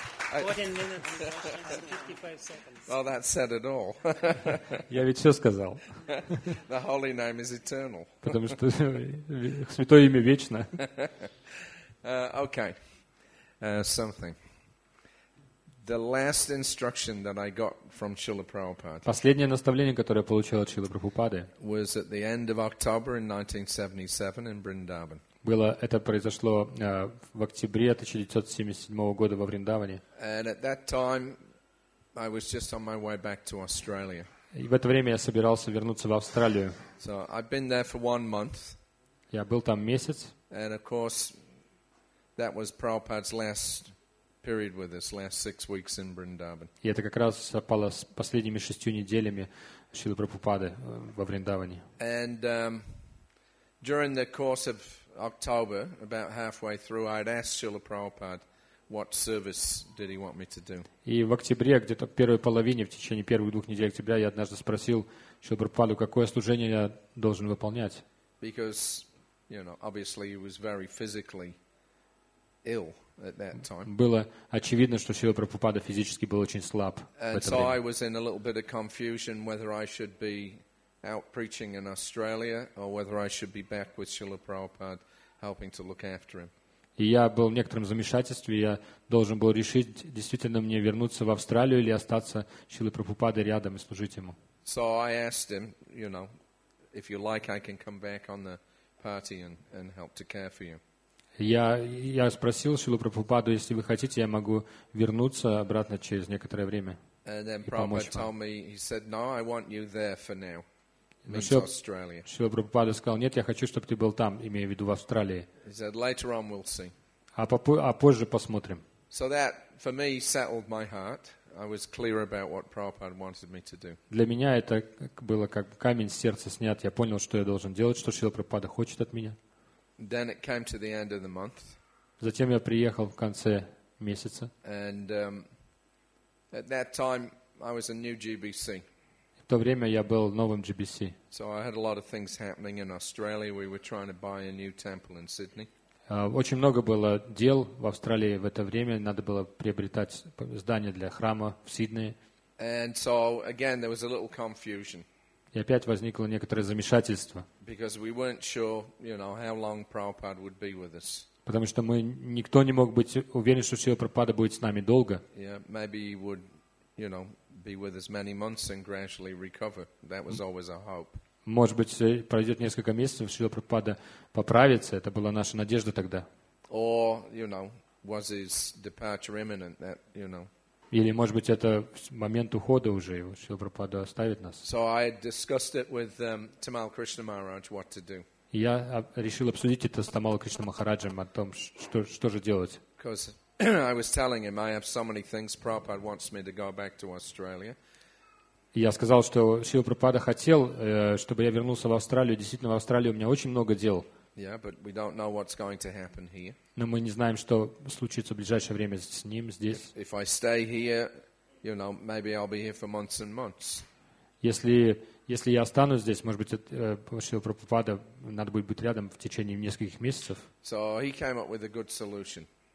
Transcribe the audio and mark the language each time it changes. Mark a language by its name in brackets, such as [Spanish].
[English] Okay. 14 minutes and 55 seconds. Well, that said it all. [Russian] Я ведь все сказал. [English] The holy name is eternal. [Russian] Потому что святое имя вечно. [English] Okay. Something. The last instruction that I got from Srila Prabhupada. [Russian] Последнее наставление, которое я получил от Шрилы Прабхупады. [English] Was at the end of October in 1977 in Vrindavan. [Russian] Было это произошло в октябре 1977 года во Вриндаване. [English] And at that time I was just on my way back to Australia. [Russian] И в это время я собирался вернуться в Австралию. [English] So I've been there for 1 month. [Russian] Я был там месяц. [English] And of course that was Prabhupada's last period with us, last 6 weeks in Vrindavan. [Russian] И это как раз совпало с последними 6 неделями Шрилы Прабхупады во Вриндаване. [English] And during the course of October, about halfway through, I had asked Srila Prabhupada what service did he want me to do. [Russian] И в октябре, где-то в первой половине, в течение первых 2 недель октября, я однажды спросил Шрилу Прабхупаду, какое служение я должен выполнять. [English] Because, you know, obviously he was very physically ill. At that time. [Russian] Было очевидно, что Шрила Прабхупада физически был очень слаб. [English] And so I was in a little bit of confusion whether I should be out preaching in Australia or whether I should be back with Srila Prabhupada helping to look after him. [Russian] И я был в некотором замешательстве, я должен был решить, действительно мне вернуться в Австралию или остаться Шрилой Прабхупадой рядом и служить ему. [English] So I asked him, you know, if you like I can come back on the party and help to care for you. [Russian] Я спросил Шрилу Прабхупаду, если вы хотите, я могу вернуться обратно через некоторое время. [English] And then Prabhupada told me, he said, "No, I want you there for now." Means Australia. [Russian] Шрила Прабхупада сказал, нет, я хочу, чтобы ты был там, имея в виду в Австралии. [English] He said, "Later on, we'll see." [Russian] А позже посмотрим. [English] So that, for me, settled my heart. I was clear about what Prabhupada wanted me to do. [Russian] Для меня это было как камень с сердца снят. Я понял, что я должен делать, что Шрила Прабхупада хочет от меня. [English] Then it came to the end of the month. [Russian] Затем я приехал в конце месяца. [English] And at that time I was a new GBC. [Russian] В то время я был новым GBC. [English] So I had a lot of things happening in Australia. We were trying to buy a new temple in Sydney. [Russian] Очень много было дел в Австралии в это время. Надо было приобретать здание для храма в Сиднее. [English] And so, again, there was a little confusion. [Russian] И опять возникло некоторое замешательство. [English] Because we weren't sure, you know, how long Prabhupada would be with us. [Russian] Потому что мы никто не мог быть уверен, что Шрила Прабхупада будет с нами долго. [English] Yeah, maybe he would, you know, be with us many months and gradually recover. That was always our hope. [Russian] Может быть, пройдет несколько месяцев, Шрила Прабхупада поправится. Это была наша надежда тогда. [English] Or, you know, was his departure imminent, that, you know. [Russian] Или, может быть, это момент ухода уже, и Шрила Прабхупада оставит нас. [English] So I discussed it with Tamal Krishna Maharaj what to do. [Russian] Я решил обсудить это с Тамал Кришна Махараджем о том, что же делать. [English] Because I was telling him, I have so many things, Prabhupada wants me to go back to Australia. [Russian] Я сказал, что Шрила Прабхупада хотел, чтобы я вернулся в Австралию. Действительно, в Австралии у меня очень много дел. Но мы не знаем, что случится в ближайшее время с ним здесь. Если я останусь здесь, может быть, Шрила Прабхупада надо будет быть рядом в течение нескольких месяцев. [English] So he came up with a good solution.